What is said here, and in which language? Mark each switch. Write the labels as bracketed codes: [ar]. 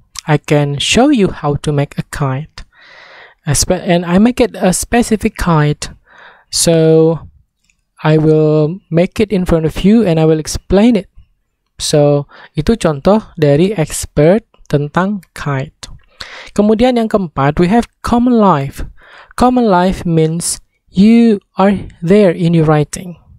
[en] I can show you how to make a kite. And I make it a specific kite. So I will make it in front of you and I will explain it. [id] So itu contoh dari expert tentang kite. Kemudian yang keempat, [en] we have common life. Common life means you are there in your writing.